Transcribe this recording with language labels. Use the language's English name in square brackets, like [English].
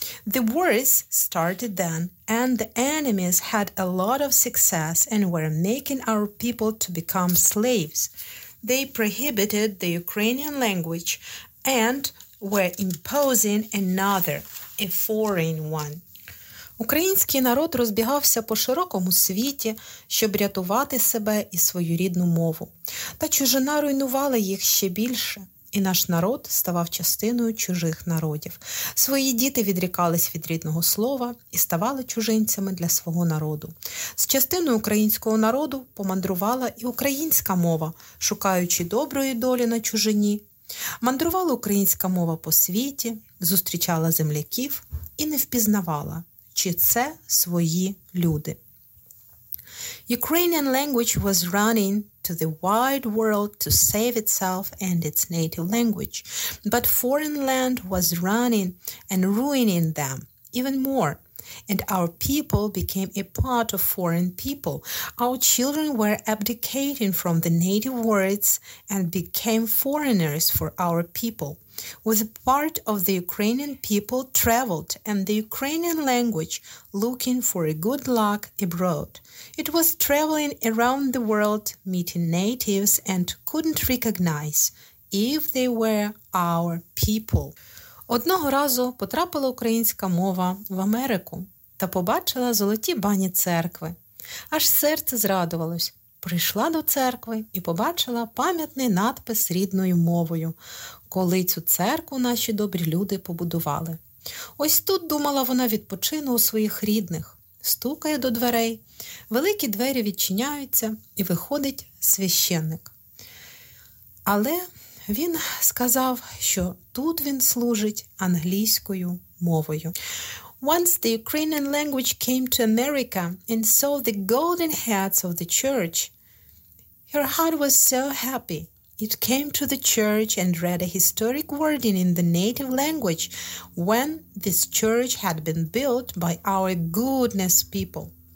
[English] The wars started then, and the enemies had a lot of success and were making our people to become slaves. They prohibited the Ukrainian language and were imposing another, a foreign one. [Ukrainian] Український народ розбігався по широкому світі, щоб рятувати себе і свою рідну мову. Та чужина руйнувала їх ще більше, і наш народ ставав частиною чужих народів. Свої діти відрікались від рідного слова і ставали чужинцями для свого народу. З частиною українського народу помандрувала і українська мова, шукаючи доброї долі на чужині. Мандрувала українська мова по світі, зустрічала земляків і не впізнавала, чи це свої люди. [English] Ukrainian language was running to the wide world to save itself and its native language, but foreign land was running and ruining them even more, and our people became a part of foreign people. Our children were abdicating from the native words and became foreigners for our people. With part of the Ukrainian people traveled and the Ukrainian language looking for a good luck abroad. It was traveling around the world, meeting natives and couldn't recognize if they were our people. [Ukrainian] Одного разу потрапила українська мова в Америку та побачила золоті бані церкви. Аж серце зрадувалось. Прийшла до церкви і побачила пам'ятний надпис рідною мовою, коли цю церкву наші добрі люди побудували. Ось тут, думала вона, відпочину у своїх рідних. Стукає до дверей, великі двері відчиняються і виходить священник. Але він сказав, що тут він служить англійською мовою. [English] Once the Ukrainian language came to America and saw the golden heads of the church, her heart was so happy. It came to the church and read a historic wording in the native language when this church had been built by our goodness people.